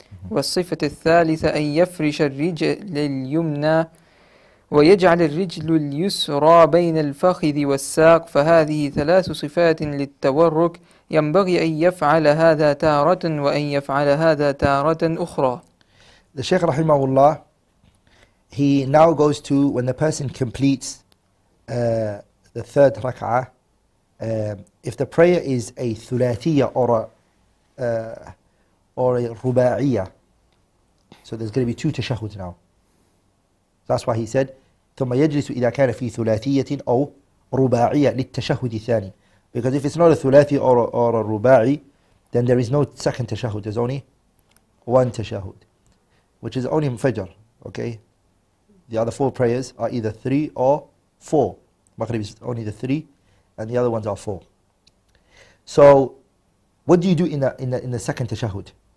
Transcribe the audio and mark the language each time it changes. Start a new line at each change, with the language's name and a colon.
Arabic: والصفة الثالثة أن يفرش الرجل اليمنى ويجعل الرجل اليسرى بين الفخذ والساق، فهذه ثلاث صفات للتورك، ينبغي أن يفعل هذا تارة وأن يفعل هذا تارة أخرى.
English: The Shaykh Rahimahullah, he now goes to when the person completes the third rak'ah, if the prayer is a thulathiyya or a ruba'iyya, so there's going to be two tashahhud now. That's why he said,
Arabic: ثم يجلس إذا كان في ثلاثية أو رباعية للتشهد الثاني.
English: Because if it's not a ثلاثي or a رباعي, then there is no second تشهد. There's only one تشهد, which is only فجر. Okay, the other four prayers are either three or four. Maghrib is only the three, and the other ones are four. So, what do you do in the second تشهد?